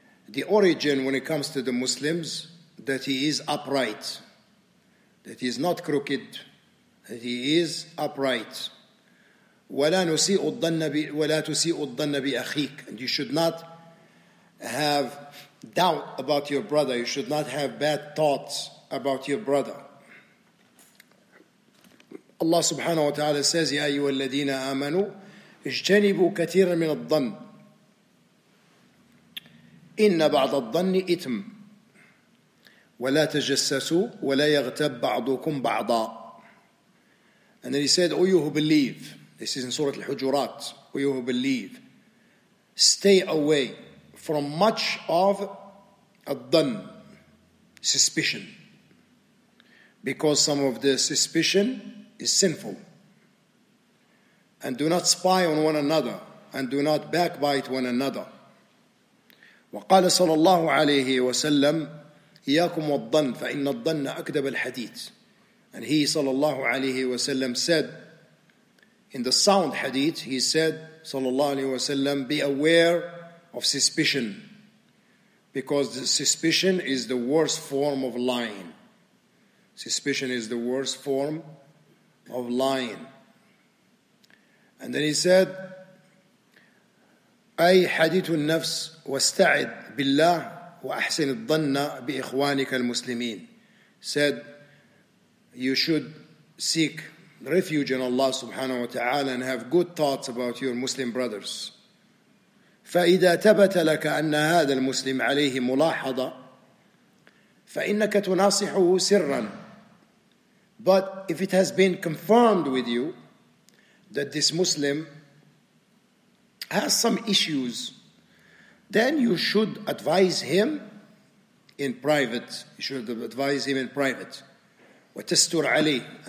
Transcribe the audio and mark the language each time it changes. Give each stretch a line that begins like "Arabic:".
English: The origin when it comes to the Muslims, that he is upright, that he is not crooked, that he is upright.
Arabic: وَلَا تُسِيءُ الظَّنَّ بِأَخِيكَ.
English: And you should not have doubt about your brother. You should not have bad thoughts about your brother. Allah subhanahu wa ta'ala says,
Arabic: يَا أَيُّهَا الَّذِينَ آمَنُوا اجتنبوا كثيرا من الظن إن بعض الظن إثم ولا تجسسوا ولا يغتب بعضكم بعضا.
English: And then he said, oh you who believe, this is in Surah Al-Hujurat, oh you who believe, stay away from much of الظن, suspicion, because some of the suspicion is sinful. And do not spy on one another, and do not backbite one another.
Arabic: وقال صلى الله عليه وسلم إياكم والظن فإن الظن أكذب الحديث.
English: And he صلى الله عليه وسلم said, in the sound hadith, he said صلى الله عليه وسلم, be aware of suspicion, because the suspicion is the worst form of lying. Suspicion is the worst form of lying. And then he said,
Arabic: أي حديث النفس واستعد بالله وأحسن الظن بإخوانك المسلمين.
English: Said, you should seek refuge in Allah subhanahu wa ta'ala and have good thoughts about your Muslim brothers.
Arabic: فإذا ثبت لك أن هذا المسلم عليه ملاحظة فإنك تناصحه سرا.
English: But if it has been confirmed with you that this Muslim has some issues, then you should advise him in private. You should advise him in private.
Arabic: وَتَسْتُرْ عَلَيْهِ.